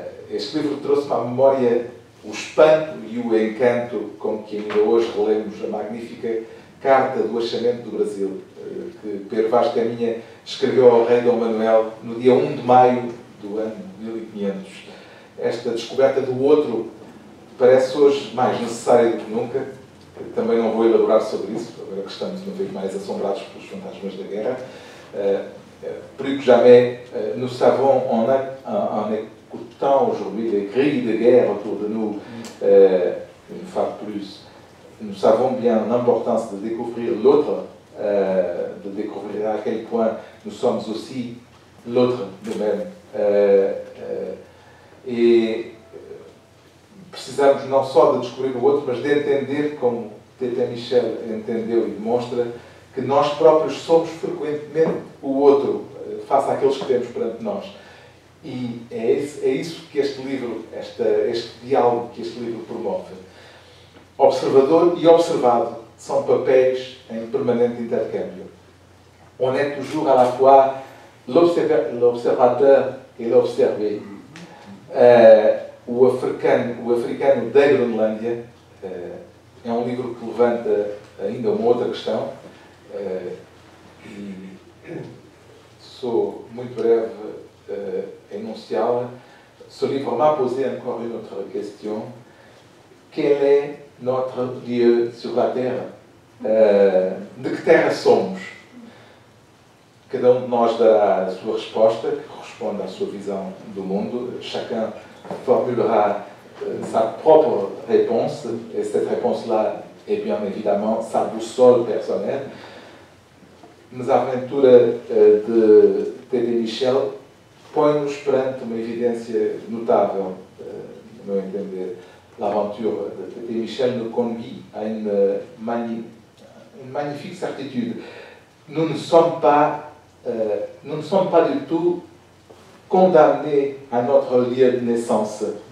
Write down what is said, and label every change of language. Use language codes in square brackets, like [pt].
[pt] Este livro trouxe-me à memória o espanto e o encanto com que ainda hoje relemos a magnífica carta do achamento do Brasil que Pedro Vaz de Caminha escreveu ao rei Dom Manuel no dia 1 de maio do ano 1500. Esta descoberta do outro parece hoje mais necessária do que nunca. Também não vou elaborar sobre isso, agora que estamos uma vez mais assombrados pelos fantasmas da guerra. [fr] Plus que jamais, nous savons, en écoutant aujourd'hui les cris de guerre autour de nous, une fois de plus, nous savons bien l'importance de découvrir l'autre, de découvrir à quel point nous sommes aussi l'autre de même. [pt] Et precisamos não só de descobrir o outro, mas de entender, como Teta Michel entendeu e demonstra, que nós próprios somos frequentemente o outro, face àqueles que temos perante nós. E é isso que este livro, este diálogo que este livro promove. Observador e observado são papéis em permanente intercâmbio. [fr] On est toujours à la fois l'observateur et l'observé. [pt] O africano da Groenlândia é um livro que levanta ainda uma outra questão. E sou muito breve a enunciá-la. [fr] Ce livre m'a posé encore une autre question. Quel est notre lieu sur la terre? [pt] De que terra somos? Cada um de nós dará a sua resposta, que corresponde à sua visão do mundo. [fr] Chacun formulera sa propre réponse, et cette réponse-là est bien évidemment sa boussole personnelle. Mais l'aventure de [pt] Teddy Michel põe-nos perante uma evidência notável, no meu entender. [fr] L'aventure de Teddy Michel nous conduit à une magnifique certitude. Nous ne sommes pas du tout condamnés à notre lieu de naissance.